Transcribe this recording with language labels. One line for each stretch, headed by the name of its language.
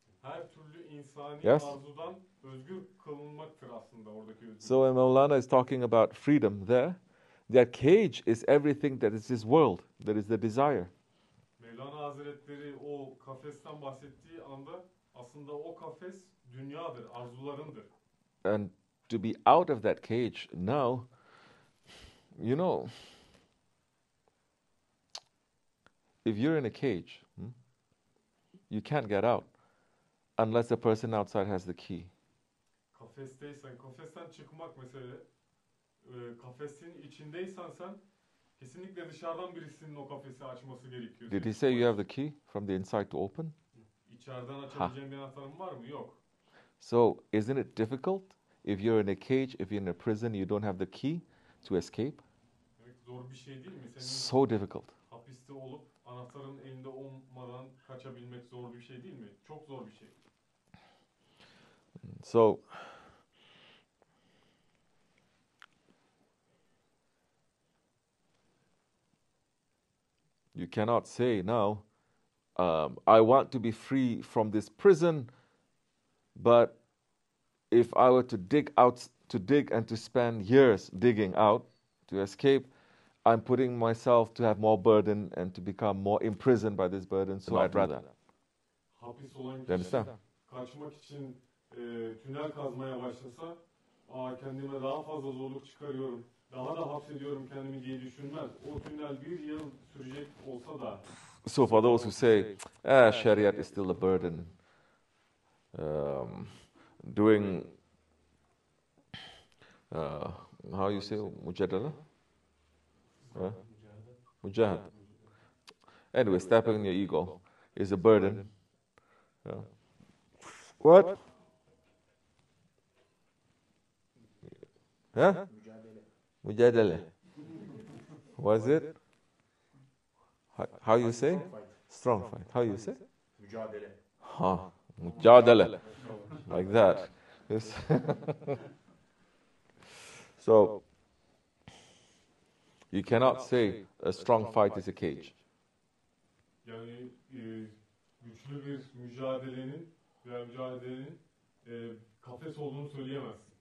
Turkish: Her türlü insani arzudan özgür kılınmaktır aslında oradaki özgürlük.
English: So when Mevlana is talking about freedom there, their cage is everything that is this world, that is the desire.
Turkish: Mevlana Hazretleri o kafesten bahsettiği anda, aslında o kafes dünyadır, arzularındır.
English: And to be out of that cage now, you know, if you're in a cage, you can't get out unless the person outside has the key.
Turkish: Kafesteysen, kafesten çıkmak mesela, kafesin içindeysen sen, kesinlikle dışarıdan birisinin o kafesi açması gerekiyor.
English: Did he say you have the key from the inside to open?
Turkish: İçeriden açabileceğim bir anahtarım var mı? Yok.
English: So, isn't it difficult if you're in a cage, if you're in a prison, you don't have the key to escape?
Turkish: Evet, zor bir şey değil mi? Senin
English: so difficult.
Turkish: Hapiste olup anahtarın elinde olmadan kaçabilmek zor bir şey değil mi? Çok zor bir şey.
English: So, you cannot say now, I want to be free from this prison, but if I were to dig out, to dig and to spend years digging out to escape, I'm putting myself to have more burden and to become more imprisoned by this burden, so I'd rather.
Turkish: Hapis olan kişi,
English: understand?
Turkish: Kaçmak için tünel kazmaya başlasa, kendime daha fazla zorluk çıkarıyorum, daha da hapsediyorum kendimi diye düşünmez. O tünel bir yıl sürecek olsa da,
English: so for those who say, Shariat is still a burden, doing, how you say, Mujadala? Mujahad. Anyway, stepping on your ego is a burden. Yeah. What? Huh? Mujadala. Was it? How you say? Strong fight. How you say?
Turkish: Mücadele.
English: Mücadele. Like that. Yes. So, you cannot say a strong fight is a cage.
Turkish: Yani güçlü bir mücadelenin veya mücadelenin kafes olduğunu söyleyemezsin.